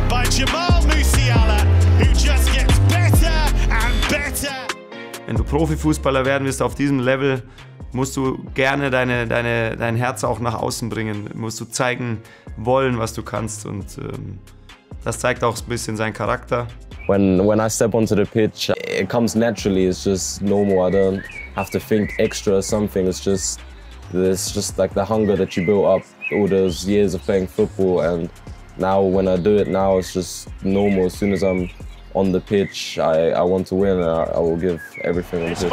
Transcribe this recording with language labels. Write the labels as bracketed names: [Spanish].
[English] Jamal Musiala, who just gets better and better. [German] Wenn du Profifußballer werden willst auf diesem Level, musst du gerne dein Herz auch nach außen bringen. Musst du zeigen wollen, was du kannst. Und das zeigt auch ein bisschen seinen Charakter. [English] When I step onto the pitch, it comes naturally. It's just normal. I don't have to think extra or something. It's just like the hunger that you built up all those years of playing football. And now, when I do it now, it's just normal. As soon as I'm on the pitch, I want to win, and I will give everything on the pitch.